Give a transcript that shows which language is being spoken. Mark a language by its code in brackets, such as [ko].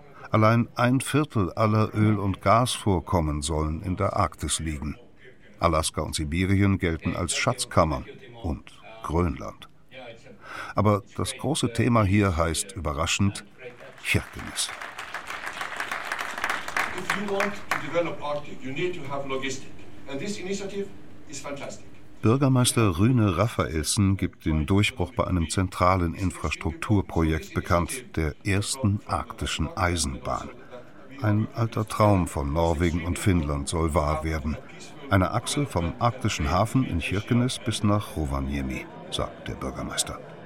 [de] Allein ein Viertel aller Öl- und Gasvorkommen sollen in der Arktis liegen. Alaska und Sibirien gelten als Schatzkammern und Grönland. Aber das große Thema hier heißt überraschend Kirkenes. [en] If you want to develop Arctic, you need to have logistics. And this initiative is fantastic. [de] Bürgermeister Rune Raphaelsen gibt den Durchbruch bei einem zentralen Infrastrukturprojekt bekannt, der ersten arktischen Eisenbahn. Ein alter Traum von Norwegen und Finnland soll wahr werden. Eine Achse vom arktischen Hafen in Kirkenes bis nach Rovaniemi, sagt der Bürgermeister.